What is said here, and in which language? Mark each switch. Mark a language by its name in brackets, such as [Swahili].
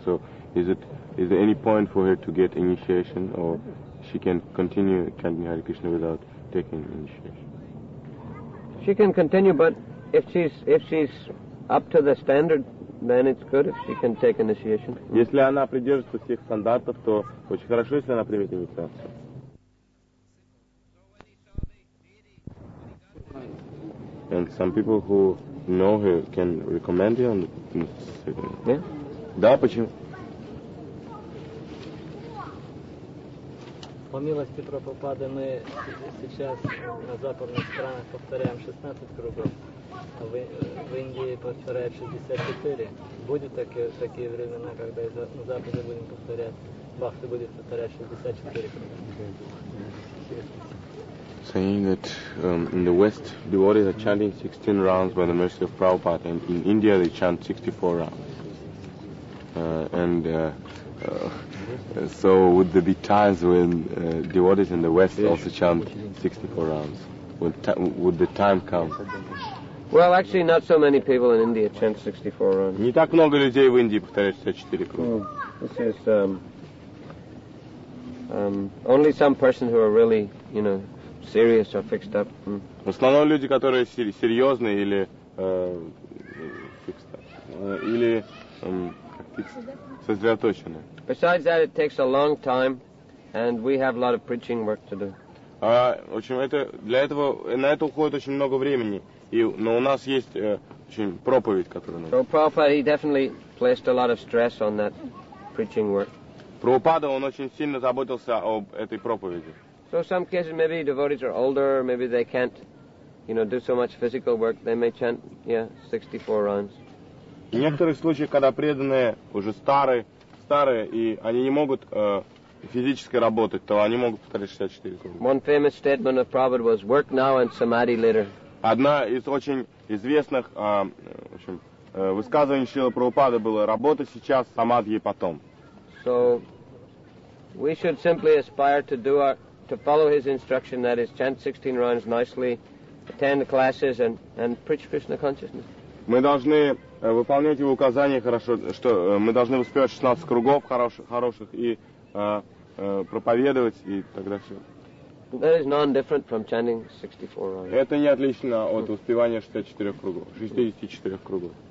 [English] So is there any point for her to get initiation, or she can continue chanting Hare Krishna without taking initiation? She can continue, but if she's up to the standard, then it's good if she can take initiation. [Russian] Если она придерживается всех стандартов, то очень хорошо, если она примет инициацию. [English] And some people who know her can recommend you on the second. Yeah? [Russian] Да, почему? По милости Прабхупады мы сейчас на западных странах повторяем 16 кругов, а в Индии повторяем 64. Будет такие времена, когда на Западе будем повторять, Бахты будет повторять 64 круга. [English] Saying that in the West devotees are chanting 16 rounds by the mercy of Prabhupada, and in India they chant 64 rounds. So would there be times when devotees in the West also chant 64 rounds? Would the time come? Well, actually, not so many people in India chant 64 rounds. [Russian] Не так много людей в Индии повторяют 64 круга. [English] This is only some persons who are really, you know, serious or fixed up. [Russian] В основном люди, которые серьезные или [English] fixed up, [Russian] или сосредоточены. [English] Besides that, it takes a long time, and we have a lot of preaching work to do. [Russian] На это уходит очень много времени, но у нас есть очень проповедь, которую нужно. [English] So Prabhupada, he definitely placed a lot of stress on that preaching work. [Russian] Прабхупада, он очень сильно заботился об этой проповеди. [English] So some cases maybe devotees are older, maybe they can't you know, do so much physical work, they may chant, yeah, 64 rounds. [Russian] В некоторых случаях, когда преданные уже старые, и они не могут физически работать, то они могут повторить 64 круга. [English] One famous statement of Prabhupada was, work now and samadhi later. [Russian] Одна из очень известных, высказываний Шрилы Прабхупады было, работа сейчас, самадхи потом. [English] So, we should simply aspire to do our, to follow his instruction, that is, chant 16 rounds nicely, attend the classes and preach Krishna consciousness. [Russian] Мы должны выполнять его указания хорошо, что мы должны успевать 16 кругов хороших и проповедовать, и тогда все. [English] That is non-different from chanting 64 rounds. [Russian] Это не отлично от успевания 64 кругов. 64 кругов.